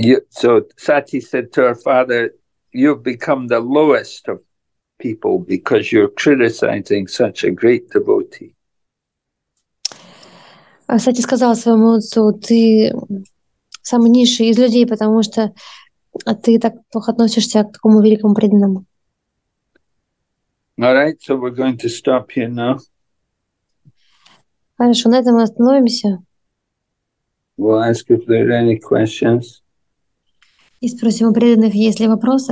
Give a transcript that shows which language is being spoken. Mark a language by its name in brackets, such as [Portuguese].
[English] So Sati said to her father, you've become the lowest of people because you're criticizing such a great devotee. [Russian] Сати сказал своему отцу, ты самый низший из людей, потому что а ты так плохо относишься к такому великому преданному. [English] All right, so we're going to stop here now. [Russian] Хорошо, на этом мы остановимся. [English] We'll ask if there are any questions. [Russian] И спросим у преданных, есть ли вопросы.